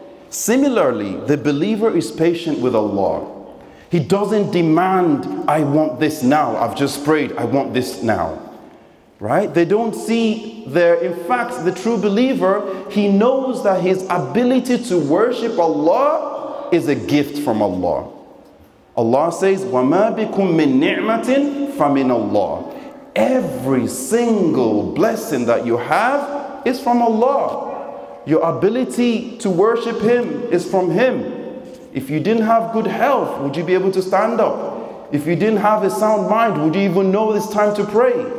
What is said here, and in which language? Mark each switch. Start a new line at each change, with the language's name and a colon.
English: Similarly, the believer is patient with Allah. He doesn't demand, I want this now, I've just prayed, I want this now. Right? They don't see there. In fact, the true believer, he knows that his ability to worship Allah is a gift from Allah. Allah says,
Arabic: وَمَا بِكُم مِّن نِعْمَةٍ فَمِنَ اللَّهِ.
English: Every single blessing that you have is from Allah. Your ability to worship Him is from Him. If you didn't have good health, would you be able to stand up? If you didn't have a sound mind, would you even know it's time to pray?